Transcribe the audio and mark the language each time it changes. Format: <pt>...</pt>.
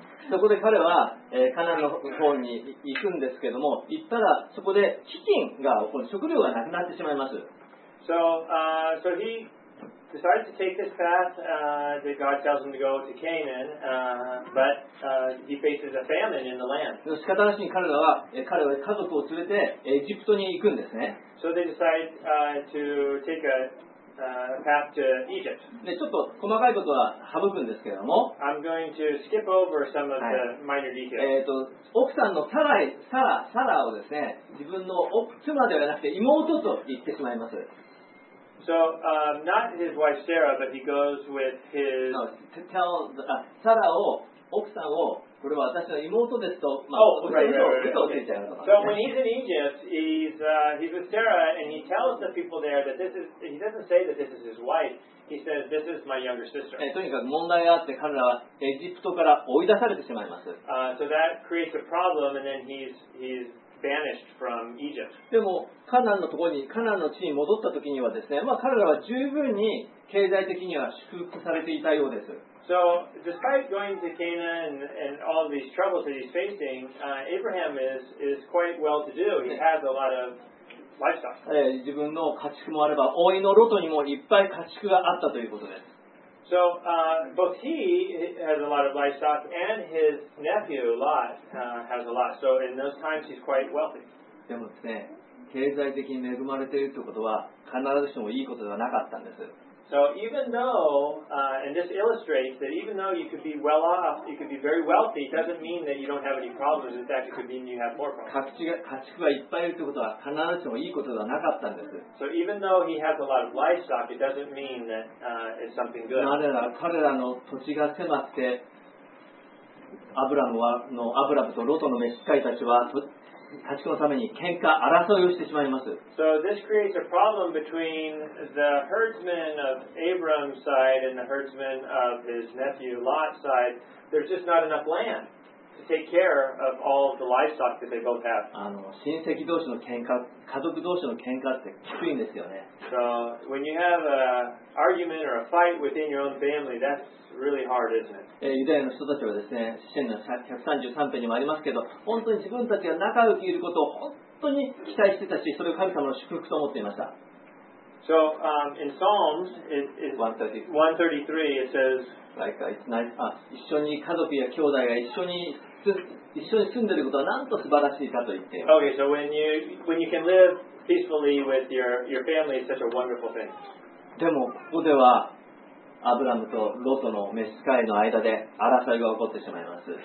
<ja>そこで彼は、カナンの方に行くんですけども、行ったらそこで飢饉が、食料がなくなってしまいます。</ja> <en>So he decides to take this path that God tells him to go to Canaan, but he faces a famine in the land.</en> <ja>仕方なしに彼は家族を連れてエジプトに行くんですね。</ja> <en>So they decide to take a path to Egypt.</en> <ja>でちょっと細かいことは省くんですけれども。</ja> <en>I'm going to skip over some of the minor details.</en> <ja>奥さんのサラをですね、自分の妻ではなくて妹と言ってしまいます。</ja> <en>So, not his wife Sarah, but he goes with his... No, to tell Sarah,</en> <ja>奥さんを、これは私の妹ですと、まあ、</ja> <en>oh, right. So when he's in Egypt, he's with Sarah, and he tells the people there that he doesn't say that this is his wife. He says, this is my younger sister.</en> <ja>とにかく問題があって、彼らはエジプトから追い出されてしまいます。</ja> <en>So that creates a problem, and then he's banished from Egypt.</en> <ja>でもカナンのところに、カナンの地に戻った時にはですね、まあ、彼らは十分に経済的には祝福されていたようです。</ja> <en>So, despite going to Canaan and all these troubles that he's facing, Abraham is quite well to do. He has a lot of livestock.</en> <ja>自分の家畜もあれば、甥のロトにもいっぱい家畜があったということです。</ja> <en>So, both he has a lot of livestock and his nephew, Lot, has a lot. So, in those times, he's quite wealthy.</en> <ja>でもですね、経済的に恵まれているということは必ずしもいいことではなかったんです。</ja> <en>So even though, and this illustrates that even though you could be well off, you could be very wealthy, doesn't mean that you don't have any problems. In fact, it could mean you have more problems.</en> <ja>家畜がいっぱいいるということは必ずしもいいことではなかったんです。</ja> <en>So even though he has a lot of livestock, it doesn't mean that it's something good.</en> <ja>なぜなら彼らの土地が狭くて、アブラムとロトの召し使いたちは、家畜のために喧嘩争いをしてしまいます。</ja> <en>So this creates a problem between the herdsmen of Abram's side and the herdsmen of his nephew Lot's side. There's just not enough land to take care of all of the livestock that they both have.</en> <ja>親戚同士の喧嘩、家族同士の喧嘩ってきついんですよね。</ja> <en>So when you have an argument or a fight within your own family, that'sReally hard, isn't it?</en> <ja>ユダヤの人たちはですね、詩篇の133編にもありますけど、本当に自分たちが仲良くいることを本当に期待してたし、それを神様の祝福と思っていました。</ja> <en>So, in Psalms, it, 133, it says, like, it's nice,</en> <ja>一緒に家族や兄弟が一緒に住んでいることはなんと素晴らしいかと言っています。</ja> <en>Okay, so when you can live peacefully with your family, it's such a wonderful thing.</en> <ja>でも、ここでは、アブラムとロトの召し使いの間で争いが起こってしまいます。</ja>